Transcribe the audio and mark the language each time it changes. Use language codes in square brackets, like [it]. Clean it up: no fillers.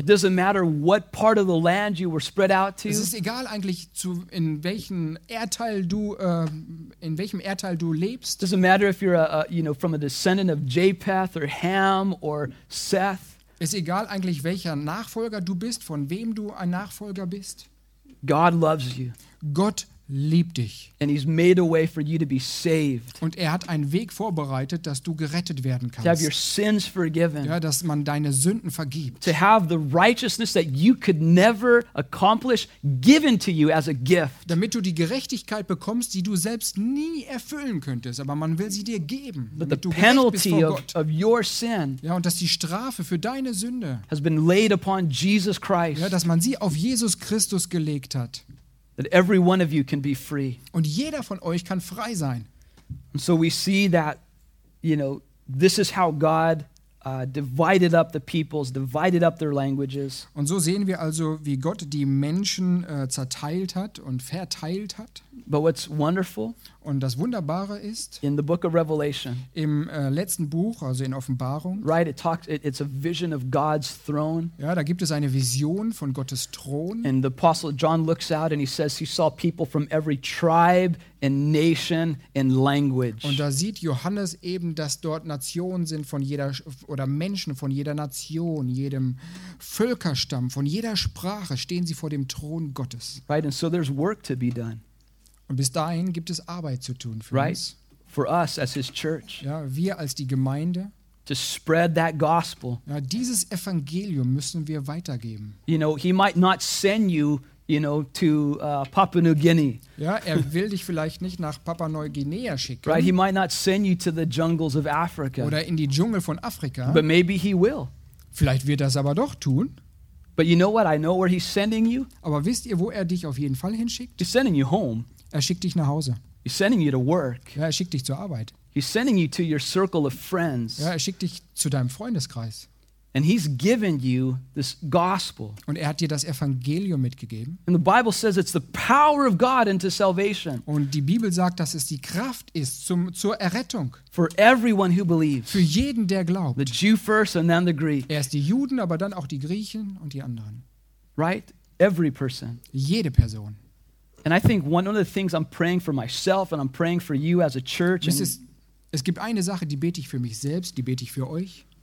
[en] It doesn't matter what part of the land you were spread out to. [de] Es ist egal eigentlich in welchem Erdteil du lebst. [en] It doesn't matter if you're from a descendant of Japheth or Ham or Seth. [de] Ist egal eigentlich, welcher Nachfolger du bist, von wem du ein Nachfolger bist. [en] God loves you. [de] Gott liebt dich. [en] And he's made a way for you to be saved. [de] Und er hat einen Weg vorbereitet, dass du gerettet werden kannst. [en] To have your sins forgiven. [de] Ja, dass man deine Sünden vergibt. [en] To have the righteousness that you could never accomplish given to you as a gift. [de] Damit du die Gerechtigkeit bekommst, die du selbst nie erfüllen könntest, aber man will sie dir geben. [en] But the penalty of your sin. [de] Ja, und dass die Strafe für deine Sünde [en] has been laid upon Jesus Christ. [de] Ja, dass man sie auf Jesus Christus gelegt hat. [en] That every one of you can be free. [de] Und jeder von euch kann frei sein. [en] And so we see that, you know, this is how God divided up the peoples, divided up their languages. [de] Und so sehen wir also, wie Gott die Menschen zerteilt hat und verteilt hat. [en] But what's wonderful? [de] Und das Wunderbare ist, [en] in the book of Revelation, [de] im letzten Buch, also in Offenbarung, [en] right, it's a vision of God's throne. [de] Ja, da gibt es eine Vision von Gottes Thron. [en] And the apostle John looks out and he says he saw people from every tribe and nation and language. [de] Und da sieht Johannes eben, dass dort Nationen sind von jeder oder Menschen von jeder Nation, jedem Völkerstamm, von jeder Sprache stehen sie vor dem Thron Gottes. [en] Right, and so there's work to be done. [de] Und bis dahin gibt es Arbeit zu tun für [en] right? [de] uns. [en] For us as his church. [de] Ja, wir als die Gemeinde. [en] To spread that gospel. [de] Ja, dieses Evangelium müssen wir weitergeben. [en] You know, he might not send you, you know, to Papua New Guinea. [de] Ja, er will dich vielleicht nicht nach Papua Neuguinea schicken. [en] Right, he might not send you to the jungles of Africa. [de] Oder in die Dschungel von Afrika. [en] But maybe he will. [de] Vielleicht wird das aber doch tun. [en] But you know what? I know where he's sending you. [de] Aber wisst ihr, wo er dich auf jeden Fall hinschickt? [en] He's sending you home. [de] Er schickt dich nach Hause. [en] He's sending you to work. [de] Ja, er schickt dich zur Arbeit. [en] He's sending you to your circle of friends. [de] Ja, er schickt dich zu deinem Freundeskreis. [en] And he's given you this gospel. [de] Und er hat dir das Evangelium mitgegeben. [en] And the Bible says it's the power of God into salvation. [de] Und die Bibel sagt, dass es die Kraft ist zur Errettung. [en] For everyone who believes. [de] Für jeden, der glaubt. [en] The Jew first and then the Greek. [de] Erst die Juden, aber dann auch die Griechen und die anderen. [en] Right? Every person. [de] Jede Person. [en] And I think one of the things I'm praying for myself and I'm praying for you as a church. [de] Es gibt eine Sache, die bete ich für mich selbst, die bete ich für euch.